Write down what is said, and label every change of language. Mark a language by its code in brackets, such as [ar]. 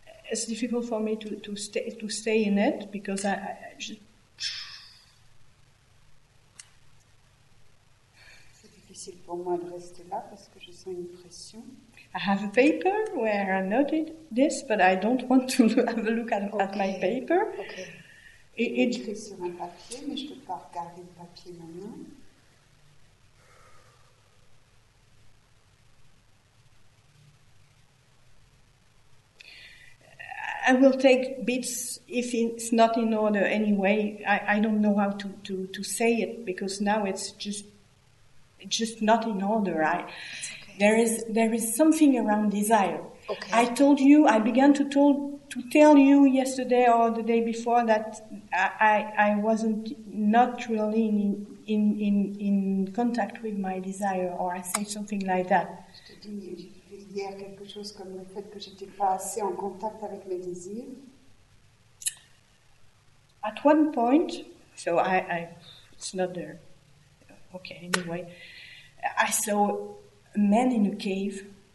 [en] It's difficult for me to stay in it because I just... [fr] C'est difficile pour moi de rester là parce que je sens une pression. [en] I have a paper where I noted this, but I don't want to have a look at my paper. Okay. It's [fr] écrit sur un papier, mais je peux pas regarder le papier maintenant. [en] I will take bits if it's not in order anyway. I don't know how to say it because now it's just not in order. There is something around desire. Okay. I told you, I began to tell you yesterday or the day before that I wasn't not really in contact with my desire, or I say something like that. [fr] Hier quelque chose comme le fait que j'étais pas assez en contact avec mes désirs. [en] At one point, so I it's not there. Okay, anyway, I saw a man in a cave.